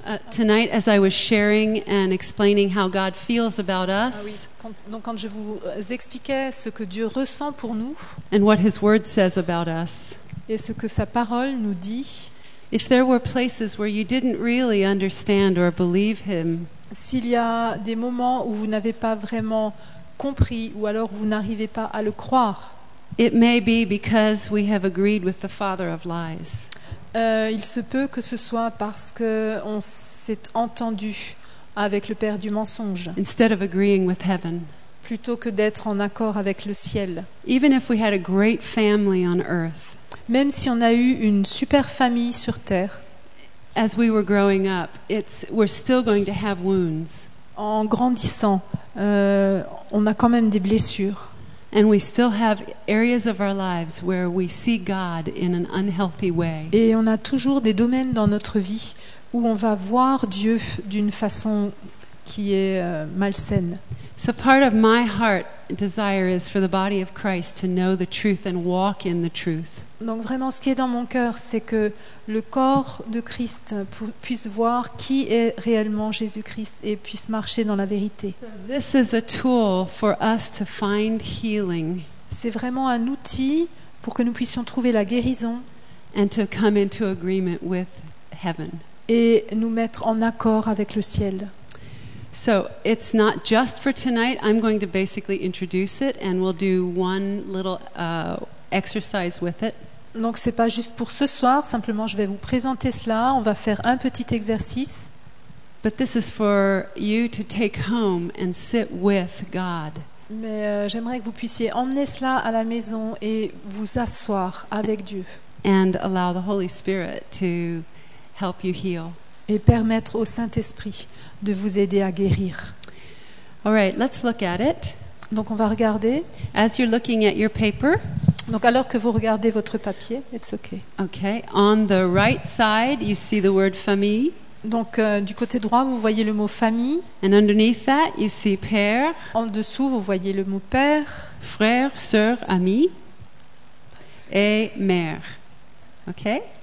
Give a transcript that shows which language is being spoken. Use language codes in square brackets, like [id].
[en] Tonight as I was sharing and explaining how God feels about us. [fr] Ah oui, quand je vous expliquais ce que Dieu ressent pour nous. [en] And what his word says about us. [fr] Et ce que sa parole nous dit. [en] If there were places where you didn't really understand or believe him. [fr] S'il y a des moments où vous n'avez pas vraiment compris ou alors vous n'arrivez pas à le croire. [en] It may be because we have agreed with the father of lies. [fr] Il se peut que ce soit parce que on s'est entendu avec le père du mensonge. [en] Instead of agreeing with heaven. [fr] Plutôt que d'être en accord avec le ciel. [en] Even if we had a great family on earth. [fr] Même si on a eu une super famille sur terre. [en] As we were growing up, we're still going to have wounds. [fr] En grandissant, on a quand même des blessures. [en] And we still have areas of our lives where we see God in an unhealthy way. [fr] Et on a toujours des domaines dans notre vie où on va voir Dieu d'une façon qui est malsaine. [en] So part of my heart desire is for the body of Christ to know the truth and walk in the truth. [fr] Donc vraiment ce qui est dans mon cœur, c'est que le corps de Christ puisse voir qui est réellement Jésus-Christ et puisse marcher dans la vérité. [en] So this is a tool for us to find healing. [fr] C'est vraiment un outil pour que nous puissions trouver la guérison [en] and to come into agreement with heaven. [fr] Et nous mettre en accord avec le ciel. [en] So it's not just for tonight. I'm going to basically introduce it and we'll do one little exercise with it. [fr] Donc c'est pas juste pour ce soir, simplement je vais vous présenter cela, on va faire un petit exercice. [en] But this is for you to take home and sit with God. [fr] Mais j'aimerais que vous puissiez emmener cela à la maison et vous asseoir avec Dieu. [en] And allow the Holy Spirit to help you heal. [fr] Et permettre au Saint-Esprit de vous aider à guérir. [en] All right, let's look at it. [fr] Donc on va regarder. [en] As you're looking at your paper. [fr] Donc alors que vous regardez votre papier, [en] it's okay. Okay, on the right side, you see the word famille. [fr] Donc du côté droit, vous voyez le mot famille. [en] And underneath that, you see père. [fr] En dessous, vous voyez le mot père. Frère, sœur, ami. Et mère. Okay.